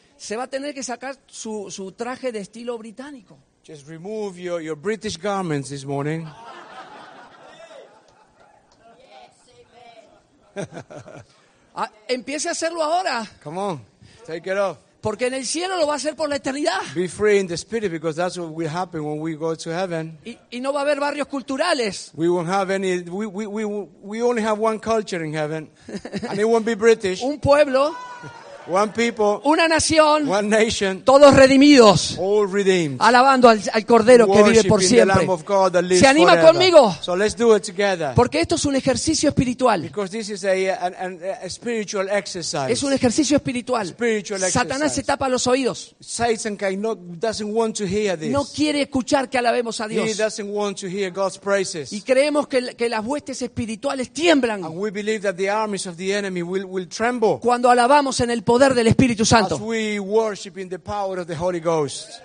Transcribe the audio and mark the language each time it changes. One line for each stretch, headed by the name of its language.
Spanish: Se va a tener que sacar su traje de estilo británico.
English: Just remove your British garments this morning.
Spanish: Empiece a hacerlo ahora.
English: Come on, take it off.
Spanish: Porque en el cielo lo va a hacer por la eternidad.
English: Be free in the spirit because that's what will happen when we go to heaven.
Spanish: Y no va a haber barrios culturales.
English: We won't have any. We only have one culture in heaven, and it won't be British.
Spanish: Un pueblo.
English: One people.
Spanish: Una nación.
English: One nation.
Spanish: Todos redimidos.
English: All redeemed.
Spanish: Alabando al Cordero que vive por siempre.
English: The Lamb of God that lives.
Spanish: Se anima
English: forever.
Spanish: Conmigo.
English: So let's do it together.
Spanish: Porque esto es un ejercicio espiritual.
English: Because this is a spiritual exercise.
Spanish: Es un ejercicio espiritual.
English: Spiritual exercise.
Spanish: Satanás se tapa los oídos.
English: Satan doesn't want to hear this.
Spanish: No quiere escuchar que alabemos a Dios.
English: He doesn't want to hear God's praises.
Spanish: Y creemos que las huestes espirituales tiemblan.
English: And we believe that the armies of the enemy will tremble.
Spanish: Cuando alabamos en el poder del Espíritu Santo.
English: As we worship in the power of the Holy Ghost.